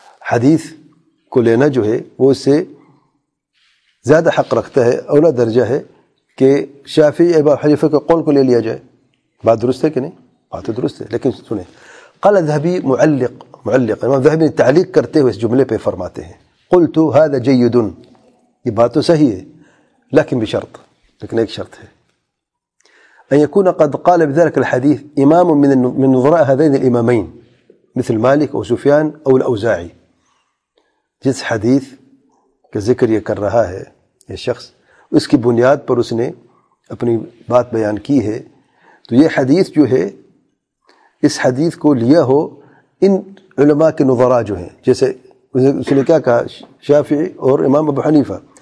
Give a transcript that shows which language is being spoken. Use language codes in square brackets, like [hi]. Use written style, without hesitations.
[ur] حدیث کو لینا جو ہے وہ اس سے زیادہ حق رکھتا ہے, اولا درجہ ہے کہ شافعی یا ابو حنیفہ کے قول کو لے لیا جائے. بات درست ہے کہ نہیں؟ بات تو درست ہے, لیکن سنیں, قال ذهبی معلق, معلق امام ذهبی نے تعلیق کرتے ہوئے اس جملے پہ فرماتے ہیں, [ar] قلت هذا جيد, [ur] یہ بات تو صحیح ہے, لیکن بھی شرط, لیکن ایک شرط ہے, [ar] أن يكون قد قال بذلك الحديث إمام من نظراء هذين الإمامين مثل مالك أو سفيان أو الأوزاعي. [ur] جس حديث كذكر يكر رہا ہے یہ شخص اس کی بنیاد پر اس نے اپنی بات بیان کی ہے, تو یہ حدیث جو ہے اس حدیث کو لیا ہو ان علماء کے نظراء جو ہیں, جیسے اس نے کیا کہا شافعی اور امام ابو حنیفہ.